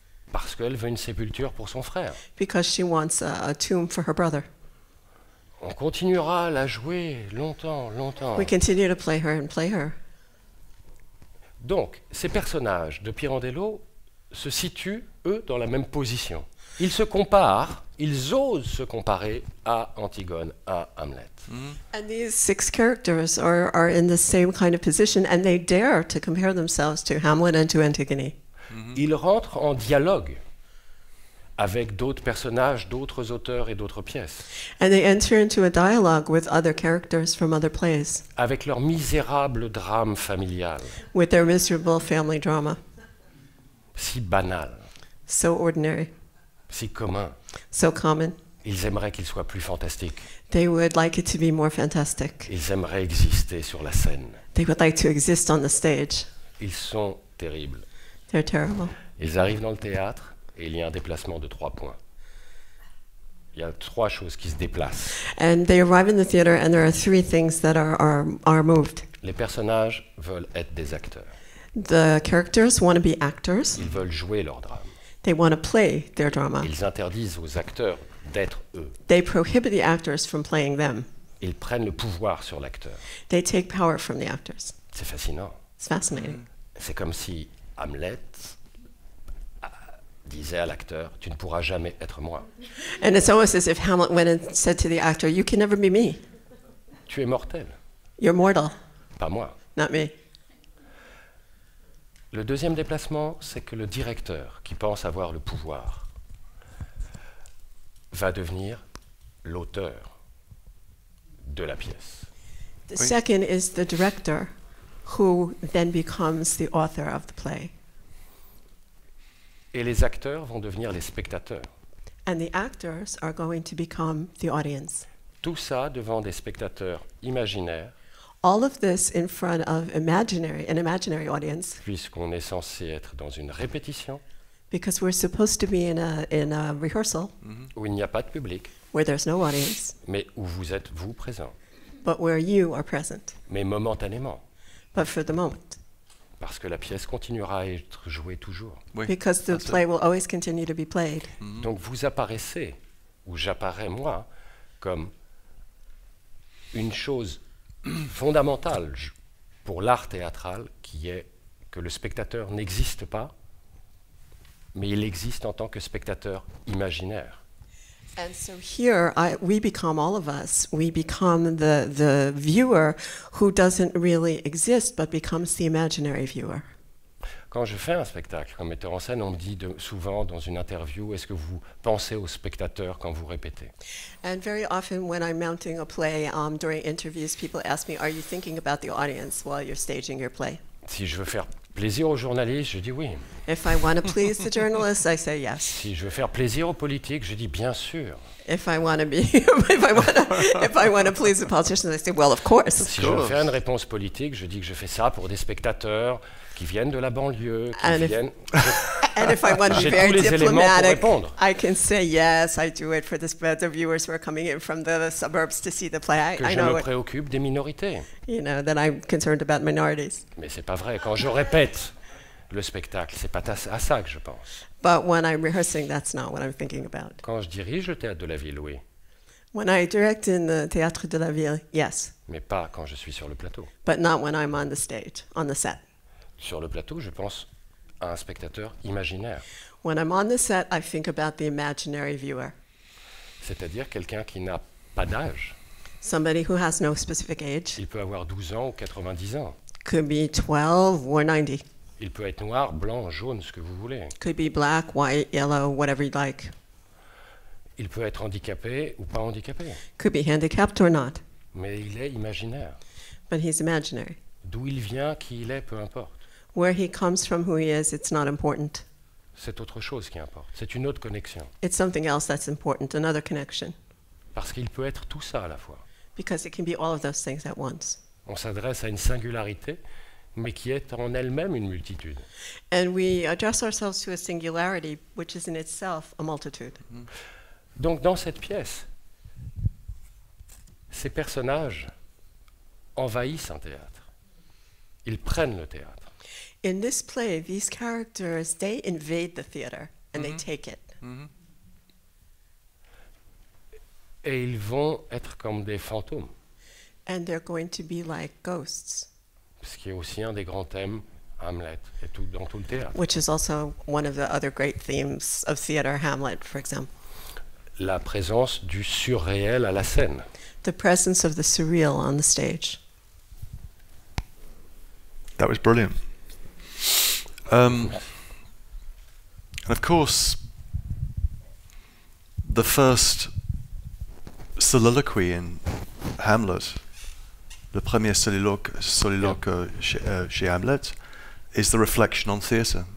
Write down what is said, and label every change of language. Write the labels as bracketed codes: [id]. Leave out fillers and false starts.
[fr] Parce qu'elle veut une sépulture pour son frère. [en] Because she wants a tomb for her brother. [fr] On continuera à la jouer longtemps, longtemps. [en] We continue to play her and play her. [fr] Donc, ces personnages de Pirandello se situent, eux, dans la même position. Ils se comparent, ils osent se comparer à Antigone, à Hamlet. [en] And these six characters are in the same kind of position and they dare to compare themselves to Hamlet and to Antigone. [fr] Ils rentrent en dialogue avec d'autres personnages, d'autres auteurs et d'autres pièces. [en] And they enter into a dialogue with other characters from other plays. [fr] Avec leur misérable drame familial. [en] With their miserable family drama. [fr] Si banal. [en] So ordinary. [fr] Si commun. [en] So common. [fr] Ils aimeraient qu'il soit plus fantastique. [en] They would like it to be more fantastic. [fr] Ils aimeraient exister sur la scène. [en] They would like to exist on the stage. [fr] Ils sont terribles. [en] They're terrible. [fr] Ils arrivent dans le théâtre et il y a un déplacement de 3 points. Il y a 3 choses qui se déplacent. [en] And they arrive in the theater and there are 3 things that are moved. [fr] Les personnages veulent être des acteurs. [en] The characters want to be actors. [fr] Ils veulent jouer leur drame. [en] They want to play their drama. [fr] Ils interdisent aux acteurs d'être eux. [en] They prohibit the actors from playing them. [fr] Ils prennent le pouvoir sur l'acteur. [en] They take power from the actors. [fr] C'est fascinant. [en] It's fascinating. [fr] C'est comme si Hamlet disait à l'acteur, tu ne pourras jamais être moi. [en] And it's almost as if Hamlet went and said to the actor, you can never be me. [fr] Tu es mortel. [en] You're mortal. [fr] Pas moi. [en] Not me. [fr] Le deuxième déplacement, c'est que le directeur, qui pense avoir le pouvoir, va devenir l'auteur de la pièce. [en] The second is the director, who then becomes the author of the play. [fr] Et les acteurs vont devenir les spectateurs. [en] And the actors are going to become the audience. [fr] Tout ça devant des spectateurs imaginaires. [en] All of this in front of an imaginary audience. [fr] Puisqu'on est censé être dans une répétition. [en] Because we're supposed to be in a rehearsal. [fr] Où il n'y a pas de public. [en] Where there's no audience. [fr] Mais où vous êtes vous présent. [en] But where you are present. [fr] Mais momentanément. [en] But for the moment. [fr] Parce que la pièce continuera à être jouée toujours. Oui, [en] because the play will always continue to be played. [fr] Donc vous apparaissez, ou j'apparais moi, comme une chose fondamentale pour l'art théâtral, qui est que le spectateur n'existe pas, mais il existe en tant que spectateur imaginaire. [en] And so here, we become all of us. We become the viewer who doesn't really exist, but becomes the imaginary viewer. [fr] Quand je fais un spectacle comme metteur en scène, on me dit souvent dans une interview, est-ce que vous pensez au spectateur quand vous répétez? [en] And very often when I'm mounting a play, during interviews, people ask me, are you thinking about the audience while you're staging your play? [fr] Si je veux faire plaisir aux journalistes, je dis oui. [en] If I want to please the journalists, I say yes. [fr] Si je veux faire plaisir aux politiques, je dis bien sûr. [en] If I want to please the politicians, I say well, of course. [fr] Si je veux faire une réponse politique, je dis que je fais ça pour des spectateurs qui viennent de la banlieue, [en] And if I want to be very diplomatic, I can say yes, I do it for the viewers who are coming in from the suburbs to see the play. [fr] Je me préoccupe des minorités. [en] You know, that I'm concerned about minorities. [fr] Mais c'est pas vrai. Quand je répète le spectacle, c'est pas à ça que je pense. [en] But when I'm rehearsing, that's not what I'm thinking about. [fr] Quand je dirige le théâtre de la ville, oui. [en] When I direct in the théâtre de la ville, yes. [fr] Mais pas quand je suis sur le plateau. [en] But not when I'm on the stage, on the set. [fr] Sur le plateau, je pense à un spectateur imaginaire. [en] When I'm on the set, I think about the imaginary viewer. [fr] C'est-à-dire quelqu'un qui n'a pas d'âge. [en] Somebody who has no specific age. [fr] Il peut avoir 12 ans ou 90 ans. [en] Could be 12 or 90. [fr] Il peut être noir, blanc, jaune, ce que vous voulez. [en] Could be black, white, yellow, whatever you like. [fr] Il peut être handicapé ou pas handicapé. [en] Could be handicapped or not. [fr] Mais il est imaginaire. [en] But he's imaginary. [fr] D'où il vient, qui il est, peu importe. [en] Where he comes from, who he is, it's not important. [fr] C'est autre chose qui importe. C'est une autre connexion. [en] It's something else that's important, another connection. [fr] Parce qu'il peut être tout ça à la fois. [en] Because it can be all of those things at once. [fr] On s'adresse à une singularité, mais qui est en elle-même une multitude. [en] And we address ourselves to a singularity, which is in itself a multitude. [fr] Donc dans cette pièce, ces personnages envahissent un théâtre. Ils prennent le théâtre. [en] In this play, these characters, they invade the theater, and they take it. [fr] Et ils vont être comme des fantômes. [en] And they're going to be like ghosts. [fr] Ce qui est aussi un des grands thèmes Hamlet et tout, dans tout le théâtre. [en] Which is also one of the other great themes of theater, Hamlet, for example. [fr] La présence du surréel à la scène. [en] The presence of the surreal on the stage. That was brilliant. And of course, the first soliloquy in Hamlet, [fr] le premier soliloque chez Hamlet, [en] is the reflection on theater.